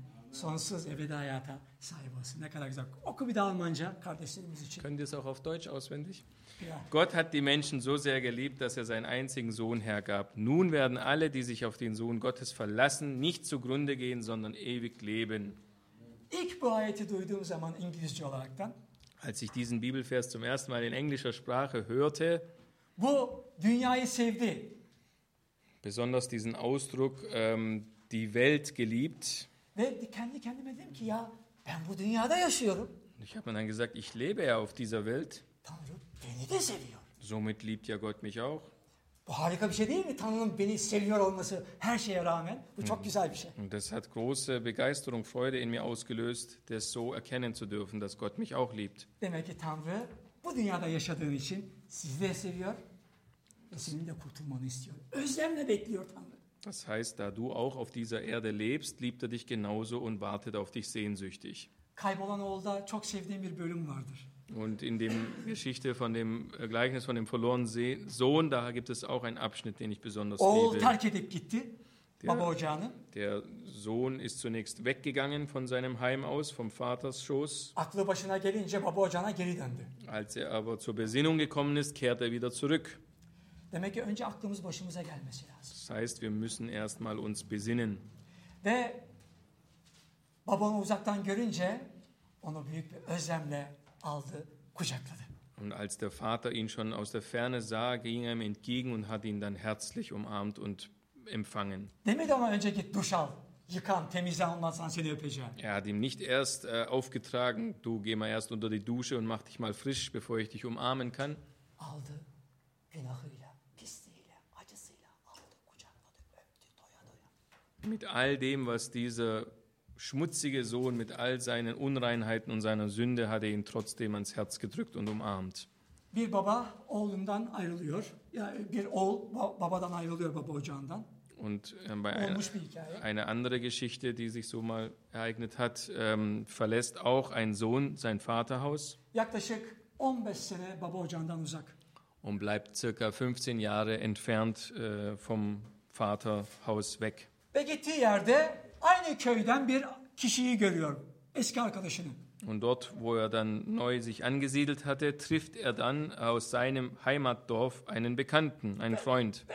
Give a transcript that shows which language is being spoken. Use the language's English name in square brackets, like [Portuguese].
[Turkish] Sonsuz ebedi hayata sahip olsun. Ne kadar güzel. Oku bir daha Almanca kardeşlerimiz için. [German] Könnt ihr es auch auf Deutsch auswendig? Gott hat die Menschen so sehr geliebt, dass er seinen einzigen Sohn hergab. Nun werden alle, die sich auf den Sohn Gottes verlassen, nicht zugrunde gehen, sondern ewig leben. [Turkish] İlk bu ayeti duyduğum zaman İngilizce olaraktan. [German] Als ich diesen Bibelvers zum ersten Mal in englischer Sprache hörte. [Turkish] Bu dünyayı sevdi. [German] Besonders diesen Ausdruck, die Welt geliebt. [Turkish] Ve kendi kendime dedim ki ya ben bu dünyada yaşıyorum. [German] Ich habe mir dann gesagt, ich lebe ja auf dieser Welt. [Turkish] Tanrı beni de seviyor. [German] Somit liebt ja Gott mich auch. [Turkish] Bu harika bir şey değil mi? Tanrı'nın beni seviyor olması her şeye rağmen. Bu çok güzel bir şey. [German] Und das hat große Begeisterung, Freude in mir ausgelöst, das so erkennen zu dürfen, dass Gott mich auch liebt. [Turkish] Demek ki Tanrı bu dünyada yaşadığın için sizi de seviyor ve senin de kurtulmanı istiyor. Özlemle bekliyor Tanrı. [German] Das heißt, da du auch auf dieser Erde lebst, liebt er dich genauso und wartet auf dich sehnsüchtig. [Turkish] Kaybolan oğulda çok sevdiğim bir bölüm vardır. [German] Und in dem Geschichte von dem Gleichnis von dem verlorenen Sohn, da gibt es auch einen Abschnitt, den ich besonders liebe. [Turkish] Oğul terk edip gitti. [German] Der Sohn ist zunächst weggegangen von seinem Heim aus, vom Vaters Schoß. [Turkish] Aklı başına gelince baba ocağına geri döndü. [German] Als er aber zur Besinnung gekommen ist, kehrt er wieder zurück. [Turkish] Demek ki önce aklımız başımıza gelmesi lazım. [German] Das heißt, wir müssen erstmal uns besinnen. [Turkish] Ve babanı uzaktan görünce onu büyük bir özlemle aldı, kucakladı. [German] Und als der Vater ihn schon aus der Ferne sah, ging er ihm entgegen und hat ihn dann herzlich umarmt und empfangen. [Turkish] Demedi ama önce git duş al, yıkan, temizle, ondan sonra seni öpeceğim. [German] Er hat ihm nicht erst aufgetragen, du geh mal erst unter die Dusche und mach dich mal frisch, bevor ich dich umarmen kann. [Turkish] Aldı, günahıyla, pisliğiyle, acısıyla, aldı, kucakladı, öptü, doya doya. [German] Mit all dem, was dieser schmutzige Sohn mit all seinen Unreinheiten und seiner Sünde hat, er ihn trotzdem ans Herz gedrückt und umarmt. [Turkish] Bir baba oğlundan ayrılıyor. Ya yani bir oğul babadan ayrılıyor baba ocağından. [German] Und bei eine andere Geschichte, die sich so mal ereignet hat, verlässt auch ein Sohn sein Vaterhaus. [Turkish] Yaklaşık 15 sene baba ocağından uzak. [German] Und bleibt circa 15 Jahre entfernt vom Vaterhaus weg. [Turkish] Ve gittiği yerde aynı köyden bir kişiyi görüyor. Eski arkadaşını. [German] Und dort, wo er dann neu sich angesiedelt hatte, trifft er dann aus seinem Heimatdorf einen Bekannten, einen Freund.